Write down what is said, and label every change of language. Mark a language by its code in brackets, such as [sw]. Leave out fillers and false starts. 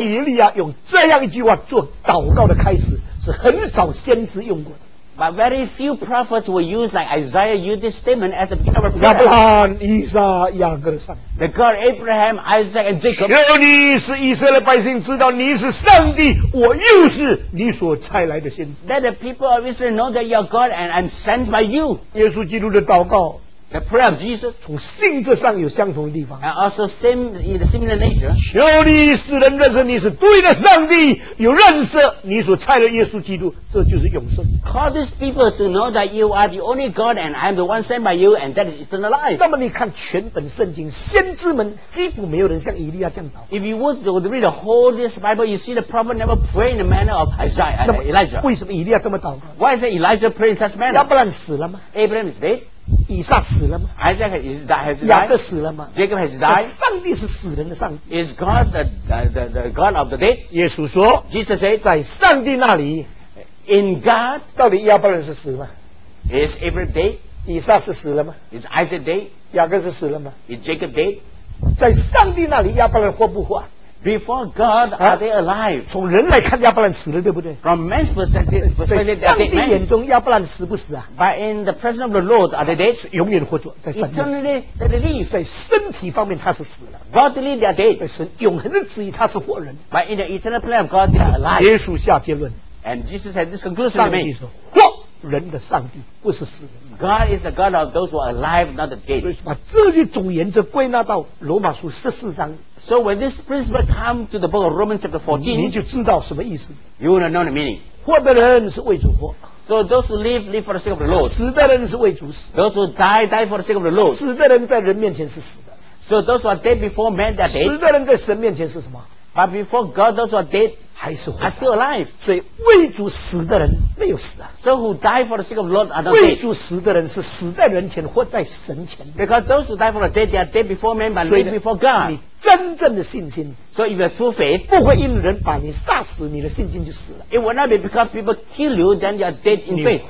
[zh] 以利亚用这样一句话做祷告的开始，是很少先知用过的。 [en] But very few prophets were used like Isaiah used this statement as a beginning of a prayer. [zh] 亚伯拉罕、以撒、雅各的上帝。 [en] The God Abraham, Isaac, and Jacob. [zh] 求你使以色列百姓知道你是上帝，我又是你所差来的先知。 [en] Let the people of Israel know that you are God and I'm sent by you. [zh] 耶稣基督的祷告。 [en] The prayer of Jesus [zh] 从性质上有相同的地方 [en] and also same in the similar nature [zh] 求你使人认识你是对的上帝有认识你所差的耶稣基督这就是永生 [en] call these people to know that you are the only God and I am the one sent by you and that is eternal life [zh] 那么你看全本圣经先知们几乎没有人像以利亚这样祷 [en] if you want to read the whole this Bible you see the prophet never pray in the manner of Isaiah, Elijah [zh] 为什么以利亚这么祷告 [en] why is it Elijah pray in such manner [zh] 亚伯兰死了吗 [en] Abraham is dead [zh] 以撒死了吗 [en] Isaac has died [zh] 雅各死了吗 [en] Jacob has died [zh] 上帝是死人的上帝 [en] Is God the God of the dead [zh] 耶稣说 [en] Jesus said [zh] 在上帝那里 [en] In God [zh] 到底亚伯兰是死吗 [en] Is Abraham dead [zh] 以撒是死了吗 [en] Is Isaac dead [zh] 雅各是死了吗 [en] Is Jacob dead [zh] 在上帝那里亚伯兰活不活 [en] Before God, are they alive? [zh] 从人来看，亚伯兰死了，对不对 [en] ？From man's perspective, [zh] 在上帝眼中，亚伯兰死不死啊 [en] ？But in the presence of the Lord, are they dead? [zh] 永远活着，在上帝。 [en] Eternally, they live. [zh] 在身体方面，他是死了。 [en] Bodily, they are dead. [zh] 在神永恒的旨意，他是活人。 [en] But in the eternal plan of God, they are alive. [zh] 耶稣下结论。 [en] And Jesus had this conclusion. [zh] 上帝说，活人的上帝不是死人。 [en] God is the God of those who are alive, not the dead. [zh] 所以把这些总原则归纳到罗马书十四章。 [en] So when this principle come to the book of Romans chapter 14, [zh] 你就知道什么意思。 [en] You will know the meaning. [zh] 活的人是为主活。 [en] So those who live, live for the sake of the Lord. [zh] 死的人是为主死。 [en] Those who die, die for the sake of the Lord. [zh] 死的人在人面前是死的。 [en] So those who are dead before man, they are dead. [zh] 死的人在神面前是什么？ [en] But before God, those who are dead [zh] 还是活 [en] 的 are still alive. [zh] 所以为主死的人没有死啊。 [en] So who die for the sake of the Lord are not dead. [zh] 为主死的人是死在人前或在神前。 [en] Because those who die for the dead, they are dead before man, but live before God. [zh] 你真正的信心。 [en] So if you are true faith, [zh] 不会因人把你杀死，你的信心就死了。 [en] It will not be because people kill you, then you are dead in faith.